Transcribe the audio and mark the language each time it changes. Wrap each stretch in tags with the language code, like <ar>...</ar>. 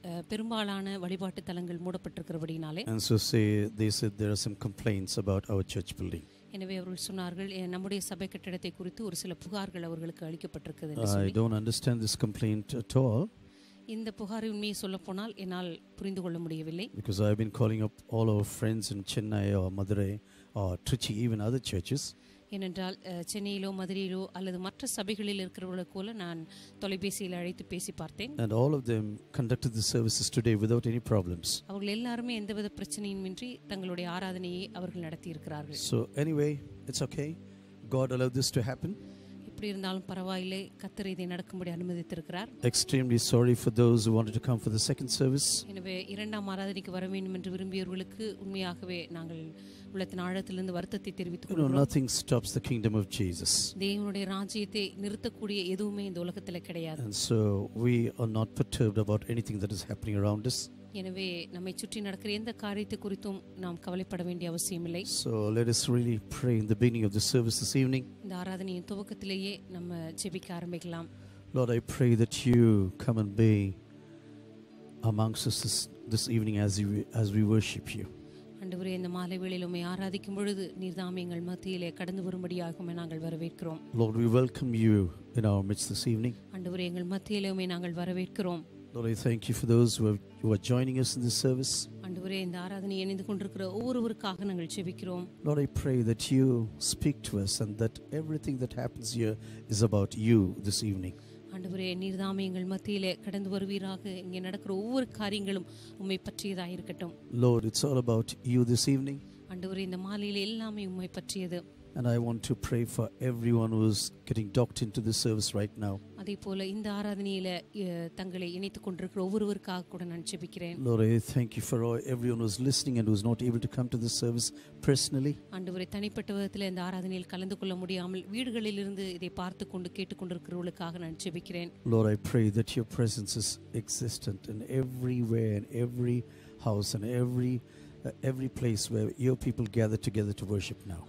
<ta>பெரும்பாலான வழிபாட்டு தலங்கள் மூடப்பட்டிருக்கிறபடினாலே.</ta> <en>And so say, they said there are some complaints about our church building.</en> <ta>எனவே அவர்கள் சொன்னார்கள் நம்முடைய சபை கட்டிடத்தை குறித்து ஒரு சில புகார்கள் அவர்களுக்கு அளிக்கப்பட்டிருக்கிறது என்று சொல்லி.</ta> <en>I don't understand this complaint at all.</en> <ta>இந்த புகாரை உண்மையை சொல்ல போனால் என்னால் புரிந்து கொள்ள முடியவில்லை.</ta> <en>Because I have been calling up all our friends in Chennai or Madurai or Trichy, even other churches.</en> <ta>ஏனென்றால் சென்னையிலோ மதுரையிலோ அல்லது மற்ற சபைகளில் இருக்கிறவர்களை கூட நான் தொலைபேசியில் அழைத்து பேசி பார்த்தேன்.</ta> <en>And all of them conducted the services today without any problems.</en> <ta>அவர்கள் எல்லாருமே எந்தவித பிரச்சனையின்றி தங்களுடைய ஆராதனையை அவர்கள் நடத்தி இருக்கிறார்கள்.</ta> <en>So anyway, it's okay. God allowed this to happen.</en> <ta>இப்படி இருந்தாலும் பரவாயில்லை. கர்த்தர் இதை நடக்கும்படி அனுமதித்து இருக்கிறார்.</ta> <en>Extremely sorry for those who wanted to come for the second service.</en> <ta>எனவே இரண்டாம் ஆராதனைக்கு வர வேண்டும் என்று விரும்பியவர்களுக்கு உண்மையாகவே நாங்கள்</ta> <en>Nothing stops the kingdom of Jesus.</en> <ta>தேவனுடைய ராஜ்யத்தை நிறுத்தக்கூடிய எதுவுமே இந்த உலகத்தில் கிடையாது.</ta> <en>And so we are not perturbed about anything that is happening around us.</en> <ta>எனவே நம்மை சுற்றி நடக்கிற எந்த காரியத்தை குறித்தும் நாம் கவலைப்பட வேண்டிய அவசியம் இல்லை.</ta> <en>So let us really pray in the beginning of the service this evening.</en> <ta>இந்த ஆராதனையின் துவக்கத்திலேயே நம்ம ஜெபிக்க ஆரம்பிக்கலாம்.</ta> <en>Lord, I pray that you come and be amongst us this evening as we worship you.</en> <ta>ஆண்டவரே இந்த மாலை வேளையில் உம்மை ஆராதிக்கும் பொழுது நீர் தாம் எங்கள் மத்தியிலே கடந்து வரும்படியாக உம்மை நாங்கள் வரவேற்கிறோம்.</ta> <en>Lord, we welcome you in our midst this evening.</en> <ta>ஆண்டவரே எங்கள் மத்தியிலே உம்மை நாங்கள் வரவேற்கிறோம்.</ta> <en>Lord, I thank you for those who are joining us in this service.</en> <ta>ஆண்டவரே இந்த ஆராதனையை இணைந்து கொண்டிருக்கிற ஒவ்வொருவருக்காக நாங்கள் ஜெபிக்கிறோம்.</ta> <en>Lord, I pray that you speak to us and that everything that happens here is about you this evening.</en> <ta>ஆண்டவரே நீர் தாம் எங்கள் மத்தியிலே கடந்து வருவீராக. இங்கே நடக்கிற ஒவ்வொரு காரியங்களும் உம்மை பற்றியதாக இருக்கட்டும்.</ta> <en>Lord, it's all about you this evening.</en> <ta>ஆண்டவரே இந்த மாலையிலே எல்லாமே உம்மை பற்றியது.</ta> <en>And I want to pray for everyone who is getting docked into this service right now.</en> <ta>அதே போல இந்த ஆராதனையிலே தங்களை இணைத்துக் கொண்டிருக்கிற ஒவ்வொருவருக்காக கூட நான் ஜெபிக்கிறேன்.</ta> <en>Lord, I thank you for everyone who is listening and who is not able to come to this service personally.</en> <ta>ஆண்டவரே தனிப்பட்ட விதத்தில் இந்த ஆராதனையில் கலந்து கொள்ள முடியாமல் வீடுகளிலிருந்து இதை பார்த்து கொண்டு கேட்டுக் கொண்டிருக்கிறவர்களுக்காக நான் ஜெபிக்கிறேன்.</ta> <en>Lord, I pray that your presence is existent in everywhere and every house and every place where your people gather together to worship now.</en>